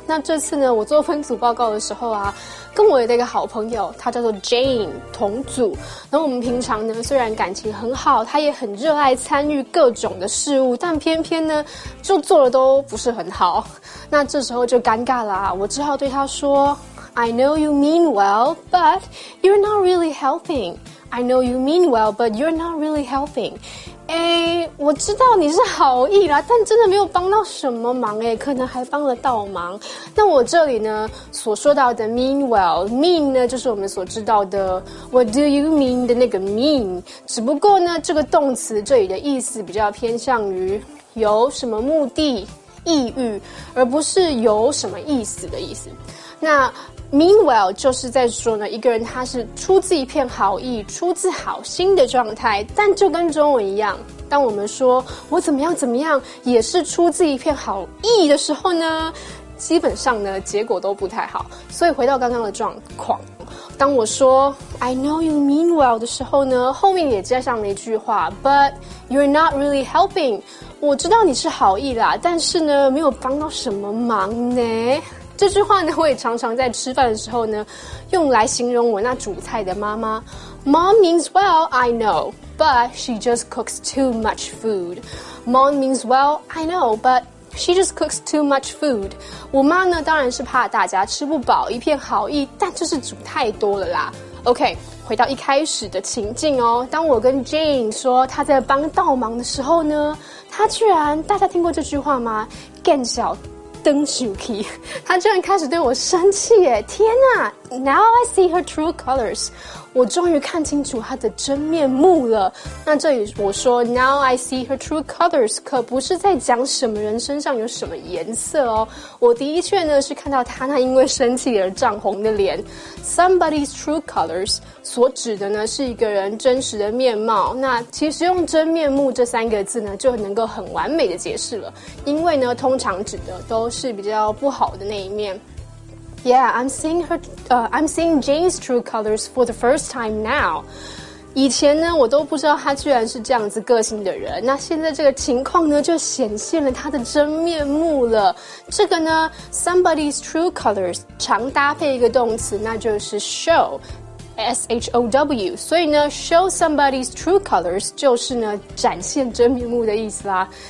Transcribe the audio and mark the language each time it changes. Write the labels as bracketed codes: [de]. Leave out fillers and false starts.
[zh] 那这次呢，我做分组报告的时候啊，跟我的一个好朋友，他叫做 Jane， 同组。然后我们平常呢，虽然感情很好，他也很热爱参与各种的事物，但偏偏呢，就做的都不是很好。那这时候就尴尬了啊，我只好对他说。 [en] I know you mean well, but you're not really helping. I know you mean well, but you're not really helping. [zh] 诶，我知道你是好意啦，但真的没有帮到什么忙诶，可能还帮了倒忙。那我这里呢，所说到的 mean well, mean 呢，就是我们所知道的 [en] what do you mean [zh] 的那个 mean。只不过呢，这个动词这里的意思比较偏向于有什么目的、意欲，而不是有什么意思的意思。那Meanwhile 就是在说呢，一个人他是出自一片好意，出自好心的状态。但就跟中文一样，当我们说我怎么样怎么样，也是出自一片好意的时候呢，基本上呢结果都不太好。所以回到刚刚的状况，当我说 [en] I know you mean well [zh] 的时候呢，后面也加上了一句话 [en] But you're not really helping， [zh] 我知道你是好意啦，但是呢没有帮到什么忙呢。这句话呢，我也常常在吃饭的时候呢，用来形容我那煮菜的妈妈。 [en] Mom means well, I know, but she just cooks too much food. Mom means well, I know, but she just cooks too much food. [zh] 我妈呢，当然是怕大家吃不饱，一片好意，但就是煮太多了啦。 OK， 回到一开始的情境哦，当我跟 Jane 说她在帮倒忙的时候呢，她居然，大家听过这句话吗？更小。灯手机，他居然开始对我生气耶！天哪 ， [en] Now I see her true colors， [zh] 我终于看清楚她的真面目了。那这里我说 Now I see her true colors， 可不是在讲什么人身上有什么颜色哦。我的确呢是看到她那因为生气而涨红的脸。 [en] Somebody's true colors [zh] 所指的呢是一个人真实的面貌。那其实用真面目这三个字呢就能够很完美的解释了，因为呢通常指的都是比较不好的那一面。 [en] Yeah, I'm seeing Jane's true colors for the first time now. [zh] 以前呢我都不知道他居然是这样子个性的人，那现在这个情况呢就显现了他的真面目了。这个呢 [en] somebody's true colors [zh] 常搭配一个动词，那就是 show, S-H-O-W, 所以呢 [en] show somebody's true colors [zh] 就是呢展现真面目的意思啦。